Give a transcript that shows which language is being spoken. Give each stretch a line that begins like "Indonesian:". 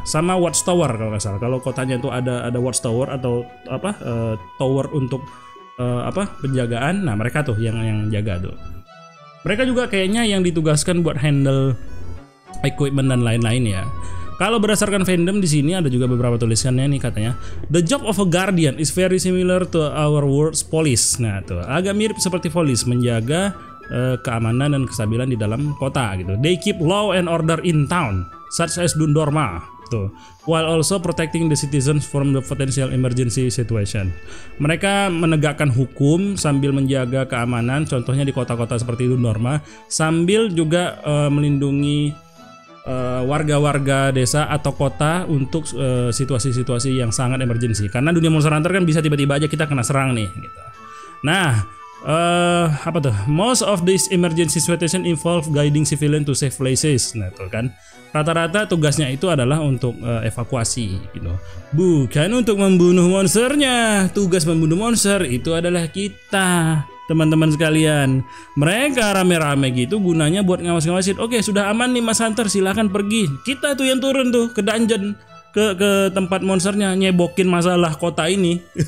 Indonesian: Sama watchtower kalau enggak salah. Kalau kotanya itu ada watchtower atau apa tower untuk penjagaan. Nah, mereka tuh yang jaga tuh. Mereka juga kayaknya yang ditugaskan buat handle equipment dan lain-lain ya. Kalau berdasarkan fandom di sini ada juga beberapa tulisannya nih katanya.
English: The job of a guardian is very similar to our world's police.
Indonesian: Nah, tuh agak mirip seperti police, menjaga keamanan dan kestabilan di dalam kota gitu.
English: They keep law and order in town, such as Dundorma. Tuh. While also protecting the citizens from the potential emergency situation.
Indonesian: Mereka menegakkan hukum sambil menjaga keamanan, contohnya di kota-kota seperti Dundorma, sambil juga melindungi warga-warga desa atau kota untuk situasi-situasi yang sangat emergency. Karena dunia Monster Hunter kan bisa tiba-tiba aja kita kena serang nih gitu. Nah, apa tuh?
English: Most of this emergency situation involve guiding civilian to safe places.
Indonesian: Nah, tuh kan. Rata-rata tugasnya itu adalah untuk evakuasi gitu. Bukan untuk membunuh monsternya. Tugas membunuh monster itu adalah kita. teman-teman sekalian. Mereka rame-rame gitu gunanya buat ngawas-ngawasin. Oke, sudah aman nih Mas Hunter, silakan pergi. Kita tuh yang turun tuh ke dungeon, ke tempat monsternya, nyebokin masalah kota ini.